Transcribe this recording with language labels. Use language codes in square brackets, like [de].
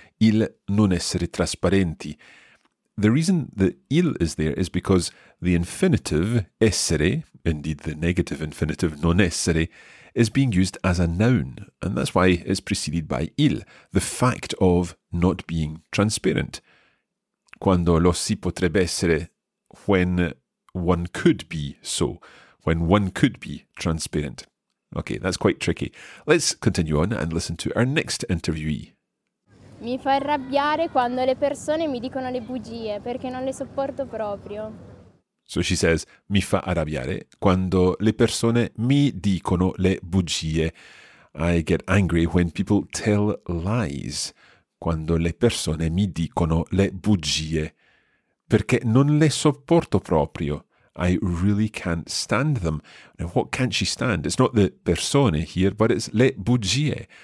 [it] Il non essere trasparenti. [en] The reason the il is there is because the infinitive essere, indeed the negative infinitive non essere, is being used as a noun, and that's why it's preceded by il, the fact of not being transparent. [it] Quando lo si potrebbe essere, [en] when one could be so, when one could be transparent. Okay, that's quite tricky. Let's continue on and listen to our next interviewee. [it] Mi fa arrabbiare quando le persone mi dicono le bugie, perché non le sopporto proprio. [en] So she says, [it] mi fa arrabbiare quando le persone mi dicono le bugie. [en] I get angry when people tell lies. [it] Quando le persone mi dicono le bugie, perché non le sopporto proprio. [en] I really can't stand them. Now, what can't she stand? It's not the persone here, but it's le bugie.